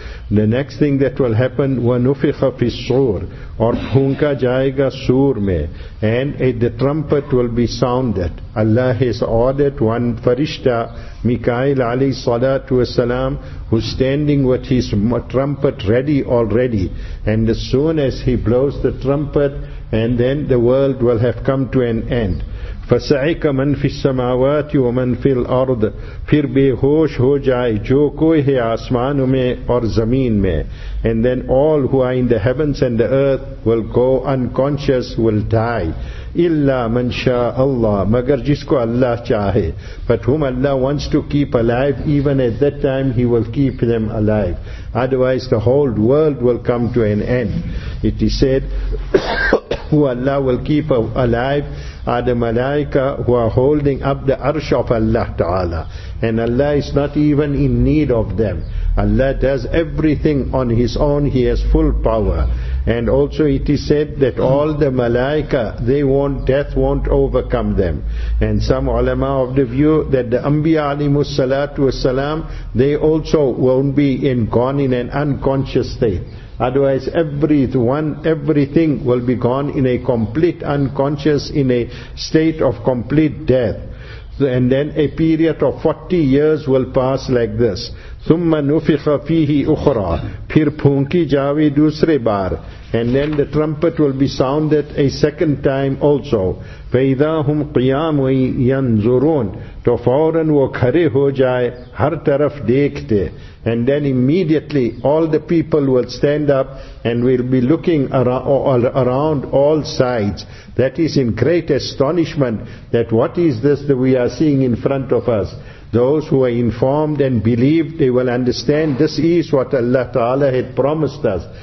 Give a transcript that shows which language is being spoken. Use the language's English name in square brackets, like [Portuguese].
[English] The next thing that will happen, [Arabic] وَنُفِخَ فِي الصُّورِ [English] or [Urdu] phunka jayega sur mein, [English] and the trumpet will be sounded. Allah has ordered one farishta, Mikail alayhi salatu wasalam, who's standing with his trumpet ready already. And as soon as he blows the trumpet, and then the world will have come to an end. [Arabic] فَسَعِكَ مَنْ فِي السَّمَاوَاتِ وَمَنْ فِي الْأَرْضِ [Urdu] پھر بے ہوش ہو جائے جو کوئی ہے آسمانوں میں اور زمین میں. [English] And then all who are in the heavens and the earth will go unconscious, will die. [Arabic] إِلَّا مَنْ شَاءَ اللَّهِ [Urdu] مگر جس کو اللہ چاہے. [English] But whom Allah wants to keep alive, even at that time He will keep them alive. Otherwise the whole world will come to an end. It is said, who Allah will keep alive are the malaika who are holding up the arsh of Allah Ta'ala. And Allah is not even in need of them. Allah does everything on His own. He has full power. And also it is said that all the malaika, death won't overcome them. And some ulama of the view that the Anbiya alayhimus salatu wasalam, they also won't be gone in an unconscious state. Otherwise, everything will be gone in a complete unconscious, in a state of complete death. And then a period of 40 years will pass like this. [Arabic] ثُمَّ نُفِخَ فِيهِ أُخْرَى [Urdu] پھر پھونکی جاوے دوسرے بار. [English] And then the trumpet will be sounded a second time also. [Arabic] فَإِذَا هُمْ قِيَامُ يَنْزُرُونَ [Urdu] تو فوراً وہ کھرے ہو جائے ہر طرف دیکھتے. [English] And then immediately all the people will stand up and will be looking around all sides. That is in great astonishment that what is this that we are seeing in front of us. Those who are informed and believe, they will understand this is what Allah Ta'ala had promised us.